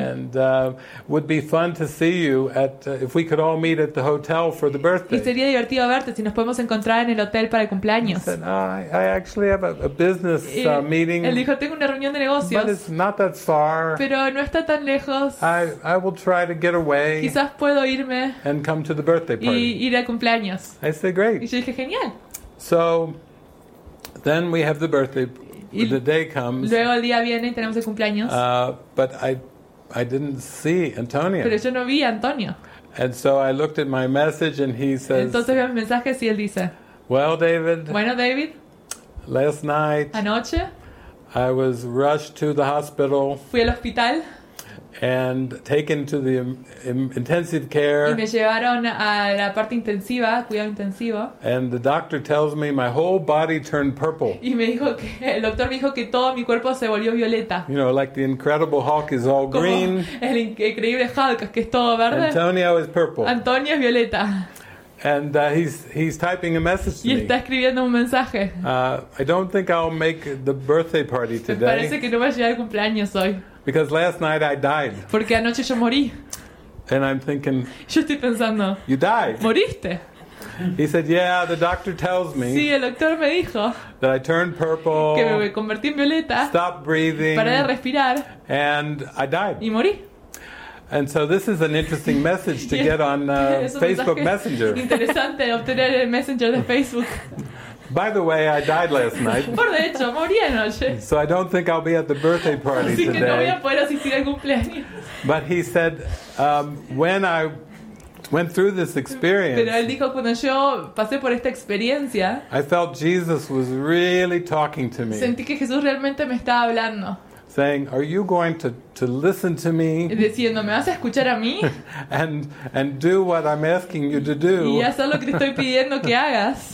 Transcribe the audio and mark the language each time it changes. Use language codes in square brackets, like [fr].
[en] And would be fun to see you at if we could all meet at the hotel for the birthday. [es] Y sería divertido verte si nos podemos encontrar en el hotel para el cumpleaños. [en] I actually have a business meeting. [es] Él dijo, tengo una reunión de negocios. [en] But it's not that far. [es] Pero no está tan lejos. [en] I will try to get away. [es] Quizás puedo irme. [en] And come to the birthday party. [es] Y ir al cumpleaños. [en] I said, great. [es] Y yo dije, genial. [en] So then we have the birthday. The day comes. [es] Luego el día viene y tenemos el cumpleaños. [en] But I didn't see Antonio. [es] Pero yo no vi a Antonio. [en] And so I looked at my message, and he says. [es] Entonces veo mis mensajes y él dice. [en] Well, David. [es] Bueno, David. [en] Last night. [es] Anoche. [en] I was rushed to the hospital. [es] Fui al hospital. [en] And taken to the intensive care. [es] Y me llevaron a la parte intensiva, cuidado intensivo. [en] And the doctor tells me my whole body turned purple. [es] Y me dijo que el doctor me dijo que todo mi cuerpo se volvió violeta. [en] You know, like the Incredible Hulk is all [es] como [en] green. [es] El increíble Hulk que es todo verde. [en] Antonio is purple. [es] Antonio es violeta. [en] And he's typing a message to me. [es] Y está escribiendo un mensaje. [en] I don't think I'll make the birthday party today. [es] Parece que no voy a llegar al cumpleaños hoy. [en] Because last night I died. [es] Porque anoche yo morí. [en] And I'm thinking. [es] Yo estoy pensando. [en] You died. [es] Moriste. [en] He said, "Yeah, the doctor tells me." [es] Sí, el doctor me dijo. [en] That I turned purple. [es] Que me convertí en violeta. [en] Stop breathing. [es] Paré de respirar. [en] And I died. [es] Y morí. [en] And so this is an interesting message to get on Facebook Messenger. [es] Interesante obtener el Messenger de Facebook. [en] By the way, I died last night. [es] Por de hecho, morí anoche. [en] So I don't think I'll be at the birthday party today. [es] Que no voy a poder asistir al cumpleaños. [en] But he said, when I went through this experience. [es] Pero él dijo, cuando yo pasé por esta experiencia. [en] I felt Jesus was really talking to me. [es] Sentí que Jesús realmente me estaba hablando. [en] Saying, are you going to listen to me? [es] Diciendo, ¿me vas a escuchar a mí? [en] And do what I'm asking you to do. [es] Y hacer lo que te estoy pidiendo que hagas.